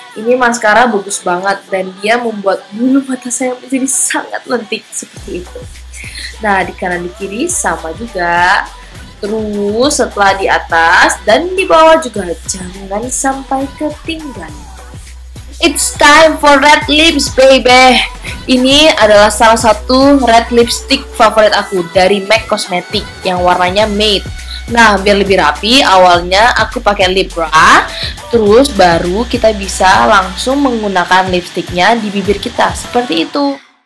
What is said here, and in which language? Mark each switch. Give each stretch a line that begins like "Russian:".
Indonesian: Ini maskara bagus banget dan dia membuat bulu mata saya menjadi sangat lentik seperti itu. Nah, di kanan di kiri sama juga. Terus setelah di atas dan di bawah juga, jangan sampai ketinggalan.
English: It's time for red lips, baby.
Indonesian: Ini adalah salah satu red lipstick favorit aku dari MAC Cosmetics yang warnanya matte. Nah, biar lebih rapi, awalnya aku pakai lip gloss, terus baru kita bisa langsung menggunakan lipsticknya di bibir kita, seperti itu.